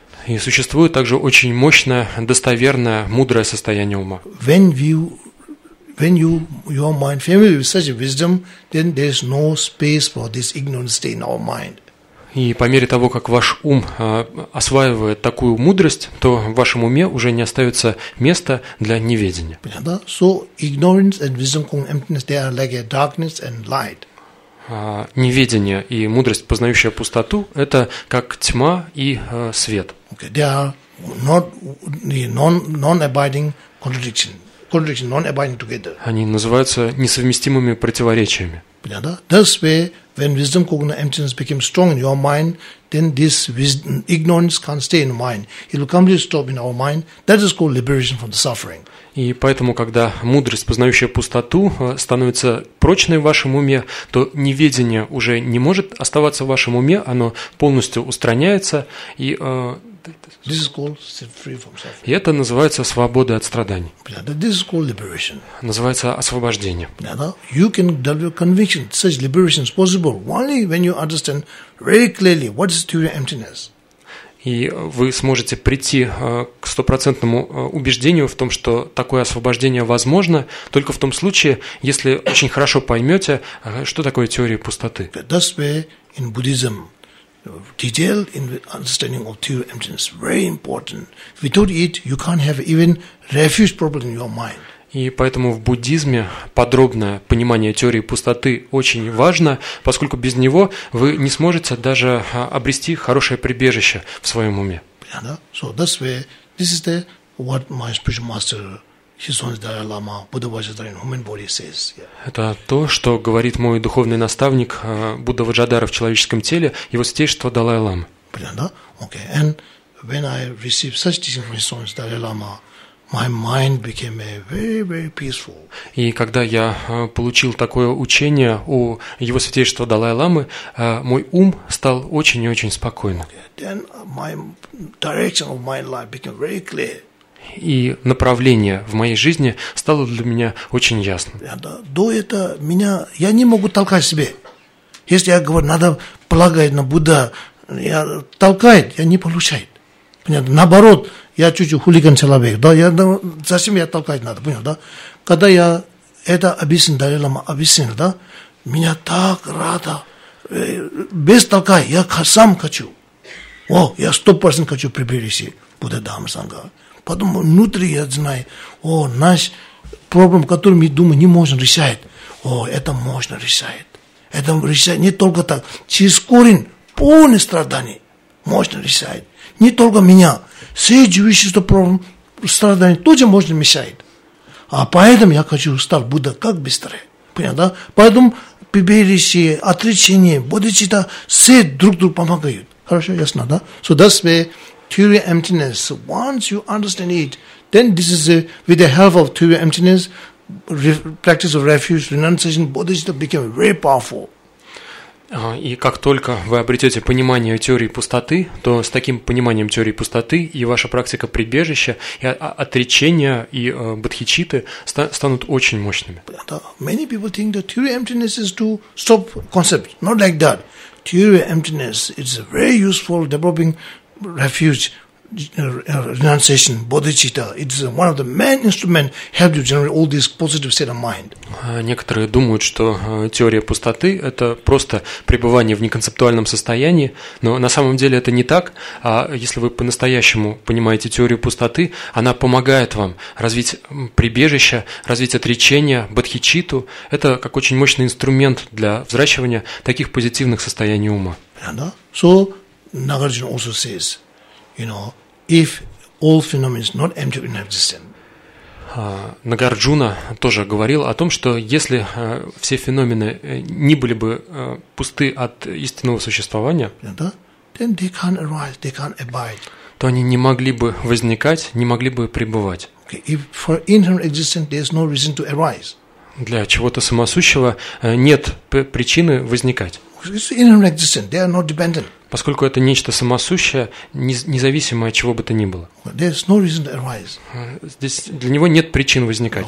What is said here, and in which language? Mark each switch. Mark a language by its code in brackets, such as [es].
[ru] И существует также очень мощное, достоверное, мудрое состояние ума. [en] When your mind familiar with such a wisdom, then there is no space for this ignorant state in our mind. [ru] И по мере того, как ваш ум осваивает такую мудрость, то в вашем уме уже не остается места для неведения. Понятно? [en] So ignorance and wisdom called emptiness, they are like a darkness and light. [ru] Неведение и мудрость, познающая пустоту, это как тьма и свет. [en] Okay, they are not the non-abiding contradiction. Contradiction, non-abiding together. [ru] Они называются несовместимыми противоречиями. Понятно? [en] This way, when wisdom, cognitive emptiness became strong in your mind, then this wisdom, ignorance can't stay in mind. It will completely stop in our mind. That is called liberation from the suffering. [ru] И поэтому, когда мудрость, познающая пустоту, становится прочной в вашем уме, то неведение уже не может оставаться в вашем уме, оно полностью устраняется. И, [en] this is called free from suffering. [ru] И это называется свобода от страданий. [en] This is called liberation. [ru] Называется освобождение. [en] You can develop conviction, such liberation is possible only when you understand very clearly what is true emptiness. [ru] И вы сможете прийти к стопроцентному убеждению в том, что такое освобождение возможно, только в том случае, если очень хорошо поймете, что такое теория пустоты. [en] That's where in Buddhism, detail in understanding of true emptiness very important. Without it, you can't have even refuge problem in your mind. [ru] И поэтому в буддизме подробное понимание теории пустоты очень важно, поскольку без него вы не сможете даже обрести хорошее прибежище в своем уме. [en] So that's where this is the what my spiritual master, His Holiness Dalai Lama, Buddha Vajradhara in human body says. [ru] Это то, что говорит мой духовный наставник Будда Ваджадара в человеческом теле, его святейшество Далай Лама. [en] Okay, and when I received such teaching from His Holiness Dalai Lama, my mind became very, very peaceful. [ru] И когда я получил такое учение у его святейшества Далай-ламы, мой ум стал очень и очень спокойным. [en] Okay. Then my direction of my life became very clear. [ru] И направление в моей жизни стало для меня очень ясным. До этого меня я не могу толкать себе. Если я говорю, надо полагать на Будда, я толкает, я не получаю. Понятно? Наоборот, я чуть-чуть хулиган человек. Да, я, ну, зачем я толкать надо, понял, да? Когда я это объяснил, Далай-лама объяснил, да, меня так рада. Без толка я сам хочу. О, я 100% хочу приблизиться к Будде Дхамма Сангха. Потом внутри я знаю, о, наш проблем, который мы думаем, не можем решать. О, это можно решать. Это решать не только так. Через корень полный страданий можно решать. Не только меня, все живущие страдания тоже можно мешать. А поэтому я хочу стать Будда как быстрее. Понятно, да? Поэтому приберись, отречение, бодхичитта, все друг другу помогают. Хорошо, ясно, да? [en] So that's the theory of emptiness. Once you understand it, then this is with the help of theory of emptiness, practice of refuge, renunciation, bodhicitta became very powerful. [ru] И как только вы обретете понимание теории пустоты, то с таким пониманием теории пустоты и ваша практика прибежища, и отречения, и бодхичитты станут очень мощными. [en] Many people think that theory emptiness is to stop concept. Not like that. Theory emptiness is very useful developing refuge, renunciation, bodhicitta. It's one of the main instruments help you generate all this positive state of mind. [ru] Некоторые думают, что теория пустоты – это просто пребывание в неконцептуальном состоянии, но на самом деле это не так. А если вы по-настоящему понимаете теорию пустоты, она помогает вам развить прибежище, развить отречение, бодхичитту. Это как очень мощный инструмент для взращивания таких позитивных состояний ума. [en] So, Nagarjuna also says, you know, if all phenomena is not empty in existence. [ru] Нагарджуна тоже говорил о том, что если все феномены не были бы пусты от истинного существования, [en] then they can't arise, they can't abide. [ru] То они не могли бы возникать, не могли бы пребывать. [en] Okay. If for internal existence there is no reason to arise. [ru] Для чего-то самосущего нет причины возникать. [en] It's internal existence, they are not dependent. [ru] Поскольку это нечто самосущее, независимое от чего бы то ни было. [en] There's no reason to arise. [ru] Здесь для него нет причин возникать.